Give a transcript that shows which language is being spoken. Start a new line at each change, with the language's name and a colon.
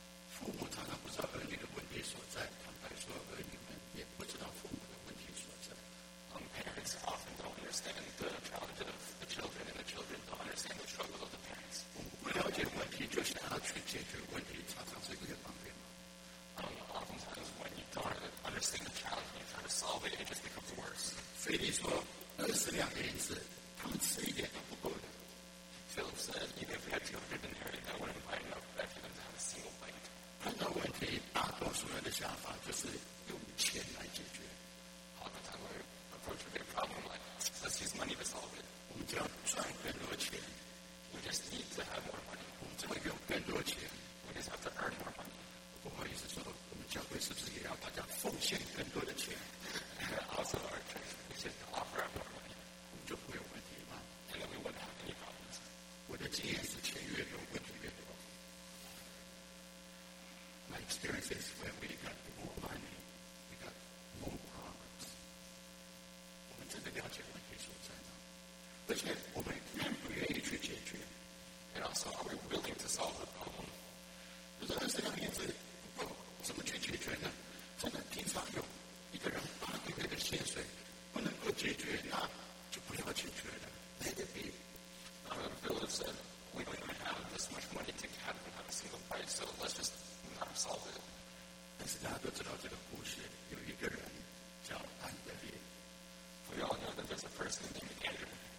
Chinese: 父母常常不知道儿女的问题所在，坦白说，儿女们也不知道父母的问题所在。
English: Parents often don't understand the challenge of the children, and the children don't understand the struggle of the parents.
Chinese: 不了解问题，就想要去解决问题，常常是一个方便吗？
English: Oftentimes, when you don't understand the challenge, you try to solve it, it just becomes worse.
Chinese: 腓力说，二十两银子，他们吃一点都不够的。
English: Philip said, even if we had 200 denarii, that wouldn't buy enough bread for them to have a single bite.
Chinese: 碰到问题，大多数人的想法就是用钱来解决。
English: Their problem, like, let's use money to solve it. We just need to have more money. We just have to earn more money.
Chinese: 不好意思说，我们教会是不是也要大家奉献更多的钱？
English: And also our church, we just offer up more money.
Chinese: 我们就不会有问题吗？
English: And then we wouldn't have any problems.
Chinese: 我的经验是钱越多，问题越多。
English: My experience is when we got more money, we got more problems.
Chinese: 真的了解问题所在吗？而且我们愿不愿意去解决
English: ？And also, are we willing to solve the problem?
Chinese: 就是二十两银子不够，怎么去解决呢？真的，平常有一个人八个月的薪水不能够解决，那就不要解决了。
English: Let it be. Philip said, "We don't even have this much money to have a single bite, so let's just not solve it."
Chinese: 但是大家都知道这个故事，有一个人叫安德烈。
English: We all know that there's a person named Andrew.